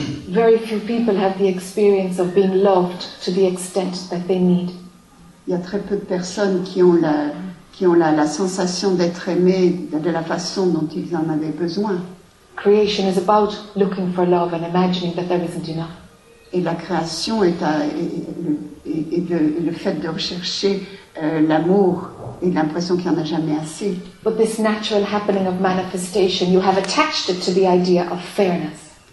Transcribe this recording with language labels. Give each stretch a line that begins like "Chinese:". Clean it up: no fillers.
English: Very few people have the experience of being loved to the extent that they need.
French: Il y a très peu de personnes qui ont la sensation d'être aimées de la façon dont ils en avaient besoin.
English: Creation is about looking for love and imagining that there isn't enough.
French: Et la création est le fait de rechercher l'amour et l'impression qu'il n'y en a jamais assez.
English: But this natural happening of manifestation, you have attached it to the idea of fairness.